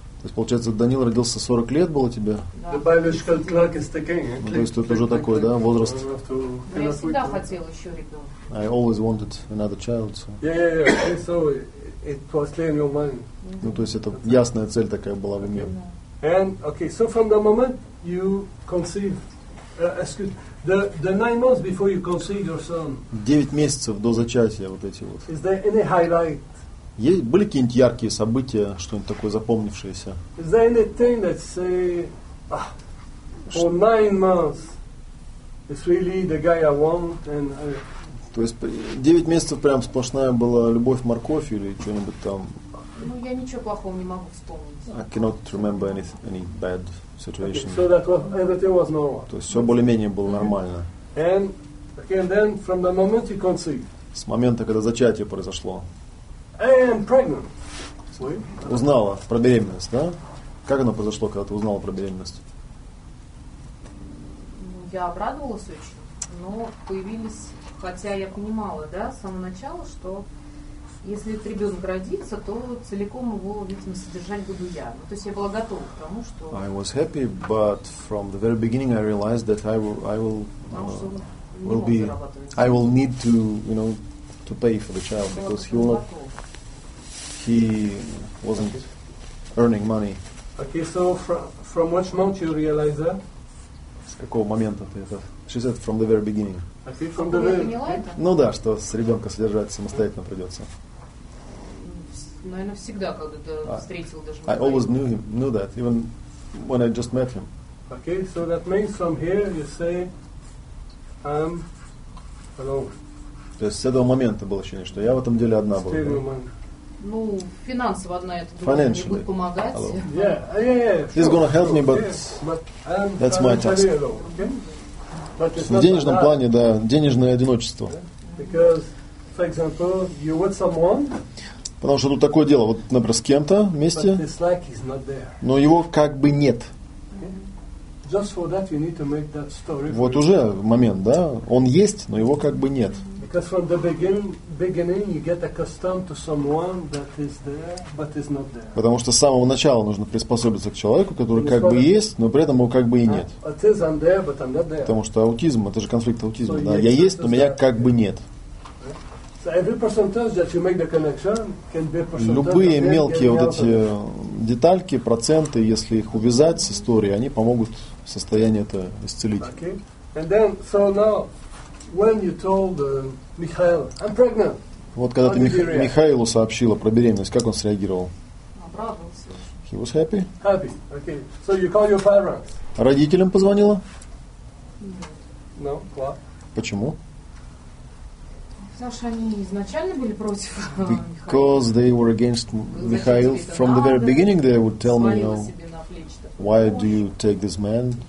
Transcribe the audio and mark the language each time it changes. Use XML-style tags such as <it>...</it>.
<ru>То есть, получается, Даниил родился 40 лет было тебе? Ну, то есть, это уже такой, да, возраст? Но я всегда хотел еще ребенка.</ru> <en>I always wanted another child. So. Yeah. And so it was clear in your mind.</en> <ru>Ну, то есть, это that's ясная цель такая была в уме.</ru> <en>And, okay, so from the moment you conceive, the 9 months before you conceive your son,</en> <ru>9 месяцев до зачатия вот эти вот.</ru> <en>Is there any highlight?</en> <ru>Есть, были какие-нибудь яркие события, что-нибудь такое запомнившееся?</ru> <en>Is there anything that say, for 9 months, it's really the guy I want and</en> <ru>То есть 9 месяцев прям сплошная была любовь-морковь или что-нибудь там? Ну, я ничего плохого не могу вспомнить.</ru> <en>I cannot remember any bad situation. Okay, so that was, everything was normal.</en> <ru>То есть все более-менее было нормально.</ru> <en>And then from the moment you conceive.</en> <ru>С момента, когда зачатие произошло.</ru> <en>And pregnant.</en> <ru>Узнала про беременность, да? Как оно произошло, когда ты узнала про беременность? Я обрадовалась очень, но появились, хотя я понимала, да, с самого начала, что если этот ребенок родится, то целиком его, видимо, содержать буду я. Ну, то есть я была готова к тому, что.</ru> <en>I was happy, but from the very beginning I realized that I will need to, you know, to pay for the child because he will not. He wasn't earning money. Okay, so from which moment you realize that?</en> <ru>С какого момента ты это?</ru> <en>She said from the very beginning. Okay, from the very.</en> <ru>Ну да, что с ребенка содержать самостоятельно придется. Наверное, всегда когда-то встретил даже.</ru> <en>I always knew that even when I just met him. Okay, so that means from here you say, alone.</en> <ru>То есть с этого момента было ощущение, что я в этом деле одна была. Ну, финансово одна это будет помогать.</ru> <en>Hello. Yeah, sure. He's gonna help me, but, that's my task.</en> <ru>В денежном плане, да, денежное одиночество.</ru> <en>Because, for example, you with someone.</en> <ru>Потому что тут такое дело, вот, например, с кем-то вместе.</ru> <en>But it's like he's not there.</en> <ru>Но его как бы нет.</ru> <en>Just for that you need to make that story.</en> <ru>Вот уже момент, да, он есть, но его как бы нет.</ru> <en>Because from the beginning you get accustomed to someone that is there, but is not there.</en> <ru>Потому что с самого начала нужно приспособиться к человеку, который как бы есть, но при этом его как бы и нет.</ru> <en>Autism, I'm there, but I'm not there.</en> <ru>Потому что аутизм, это же конфликт аутизма. So да? Я есть, но меня как бы нет.</ru> <en>So every percentage that you make the connection can be a percentage.</en> <ru>Любые мелкие вот эти детальки, проценты, если их увязать с историей, они помогут состояние это исцелить.</ru> <en>Okay. And then, so now, when you told Михаил, I'm pregnant.</en> <ru>Вот когда ты Михаилу сообщила про беременность, как он среагировал? Обрадовался.</ru> <en>He was happy. Happy. Okay. So you call your parents.</en> <ru>Родителям позвонила?</ru> <en>No. Why?</en> <ru>Почему? Потому что они изначально были против Михаила.</ru> <en>Because they were against Михаил from the very beginning. They would tell me, you know, why do you take this man?</en>